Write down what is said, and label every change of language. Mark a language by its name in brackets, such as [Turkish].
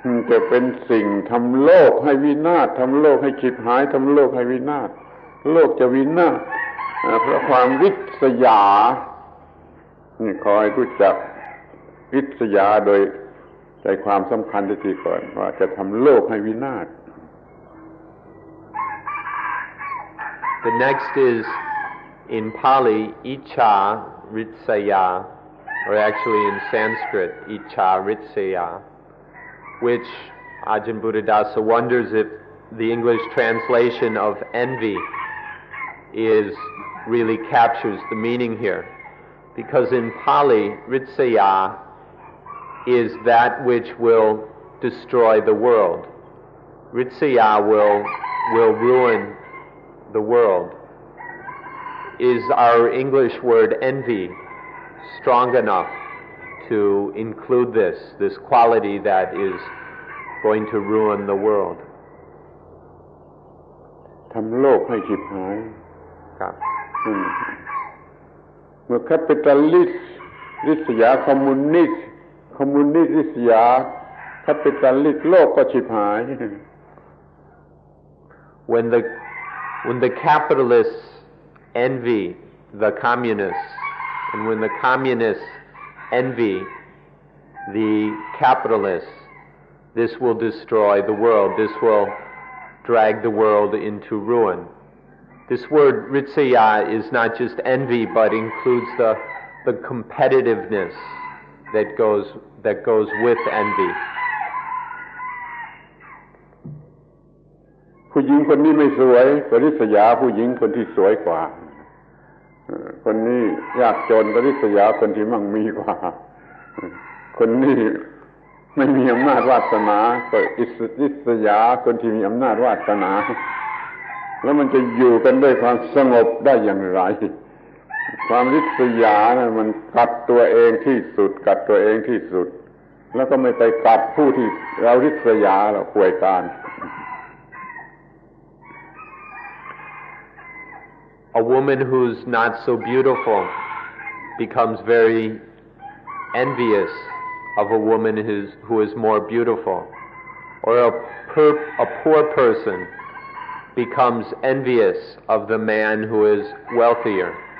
[Thai] จะเป็นสิ่งทำโลกให้วินาศทำโลกให้ฉิบหายทำโลกให้วินาศโลกจะวินาศเพราะความวิสยานี่ขอให้รู้จักวิสยาโดยใจความสำคัญที่สุดก่อนว่าจะทำโลกให้วินาศ [English] The next is in Pali Ichha Ritsaya or actually in Sanskrit Ichha Ritsaya which Ajahn Buddhadasa wonders if the English translation of envy is really captures the meaning here because in Pali Ritsaya is that which will destroy the world. Ritsaya will ruin the world. Is our English word envy strong enough to include this quality that is going to ruin the world? [Thai] ทำโลกให้ฉิบหาย ครับ เมื่อ capitalist ริษยา communist ริษยา capitalist โลกก็ฉิบหาย [English] When the capitalists envy the communists, and when the communists envy the capitalists, this will destroy the world. This will drag the world into ruin. This word ritsaya is not just envy, but includes the competitiveness that goes with envy. [Thai] ผู้หญิงคนนี้ไม่สวยก็ริษยาผู้หญิงคนที่สวยกว่าคนนี้ยากจนก็ริษยาคนที่มั่งมีกว่าคนนี้ไม่มีอำนาจวาสนาก็ริษยาคนที่มีอำนาจวาสนาแล้วมันจะอยู่กันด้วยความสงบได้อย่างไรความริษยานี่มันกัดตัวเองที่สุดกัดตัวเองที่สุดแล้วก็ไม่ไปกัดผู้ที่เราริษยาเราป่วยการ [English] A woman who's not so beautiful becomes very envious of a woman who is more beautiful. Or a poor person becomes envious of the man who is wealthier.